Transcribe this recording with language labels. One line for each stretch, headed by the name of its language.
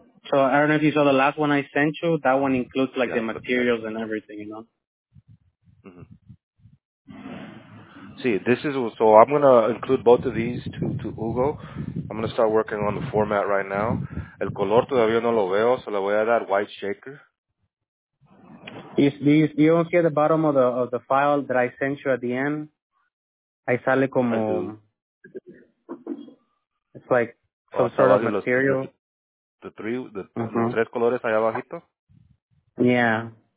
English: So I don't know if you saw the last one I sent you. That one includes, like, yeah, the materials and everything, you know? Mm-hmm. See, this is, so I'm going to include both of these to Hugo. I'm going to start working on the format right now.
Spanish: El color todavía no lo veo,
English: so
Spanish: le voy a dar
English: white shaker. Do you don't see at the bottom of the file that I sent you at the end?
Spanish: Ahí sale como,
English: it's like some sort of material.
Spanish: Los tres colores allá abajito?
English: Yeah.